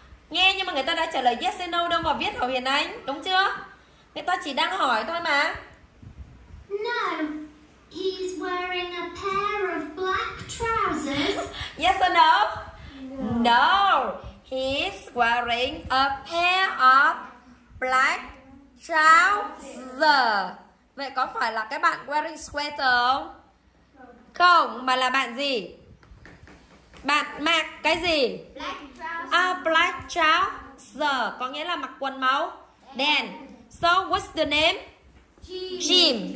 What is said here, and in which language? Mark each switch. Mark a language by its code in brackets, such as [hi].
[vi] Nghe nhưng mà người ta đã trả lời [en] yes and no [vi] đâu mà viết Hậu Hiền Anh, đúng chưa? Người ta chỉ đang hỏi thôi mà. [en] No. He's wearing a pair of black trousers. Yes or no? No. He's wearing a pair of black trousers. [vi] Vậy có phải là cái bạn [en] wearing sweater [vi] không? Không, mà là bạn gì? Bạn mặc cái gì? [en] Black trousers. A black trousers [vi] có nghĩa là mặc quần màu đen. [en] So what's the name? Jim.